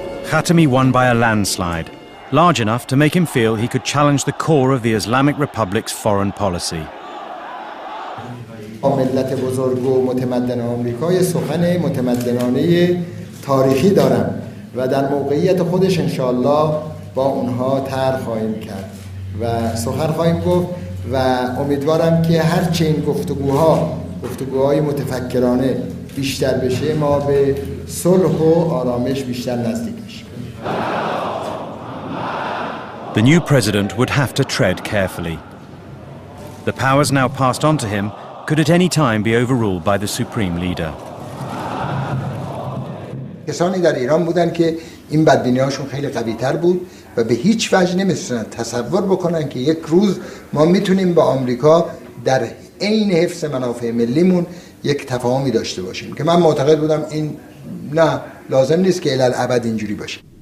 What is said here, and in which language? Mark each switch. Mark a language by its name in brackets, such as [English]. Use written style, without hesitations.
[English] Khatami won by a landslide, large enough to make him feel he could challenge the core of the Islamic Republic's foreign policy. [Persian] با ملت بزرگ و متمدن آمریکای سخن متمدنانه تاریخی دارم و در موقعیت خودش انشاءالله با اونها تر خواهیم کرد و سخن خواهیم گفت و امیدوارم که هرچه این گفتگوهای متفکرانه بیشتر بشه ما به صلح و آرامش بیشتر نزدیک بشیم. [English] The new president would have to tread carefully. The powers now passed on to him could at any time be overruled by the supreme leader. [Persian] کسانی در ایران بودن که این بدبینی‌هاشون خیلی قوی‌تر بود و به هیچ وجه نمی‌تونن تصور بکنن که یک روز ما میتونیم با آمریکا در عین حفظ منافع ملیمون یک تفاهمی داشته باشیم که من معتقد بودم این نه لازم نیست که الالعبد اینجوری باشه.